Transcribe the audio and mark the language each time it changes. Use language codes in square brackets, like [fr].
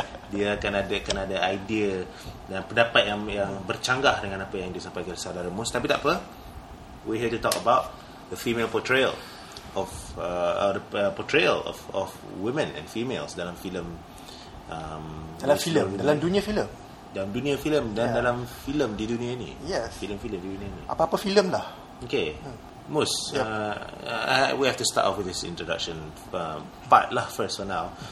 [ms] Dia akan ada, kan ada idea dan pendapat yang yang bercanggah dengan apa yang disampaikan saudara Moose. Tapi tak apa, [en] we're here to talk about the female portrayal of portrayal of women and females [ms] dalam filem. Dalam filem, dalam dunia filem. Dalam dunia filem dan dalam filem di dunia ini. [en] Yes. [ms] Filem-filem di dunia ini. Apa-apa filem lah. [en] Okay. Mus, we have to start off with this introduction part lah first for now.